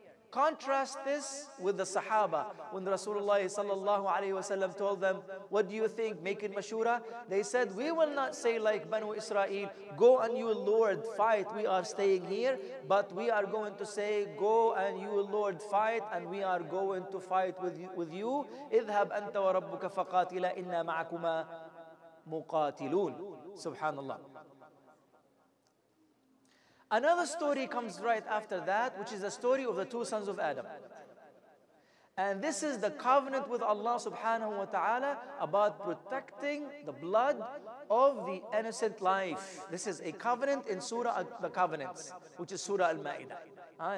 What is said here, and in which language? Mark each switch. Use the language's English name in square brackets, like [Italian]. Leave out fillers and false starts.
[English] Contrast this with the Sahaba, when Rasulullah sallallahu alayhi wa sallam told them, what do you think, make it mashura? They said, we will not say like Banu Israel, go and your Lord fight, we are staying here. But we are going to say, go and your Lord fight, and we are going to fight with you. [Arabic] اذهب أنت وربك فقاتلا إنا معكما مقاتلون. [English] Subhanallah. Another story comes right after that, which is the story of the two sons of Adam. And this is the covenant with Allah subhanahu wa ta'ala about protecting the blood of the innocent life. This is a covenant in Surah the Covenants, which is Surah Al-Ma'idah.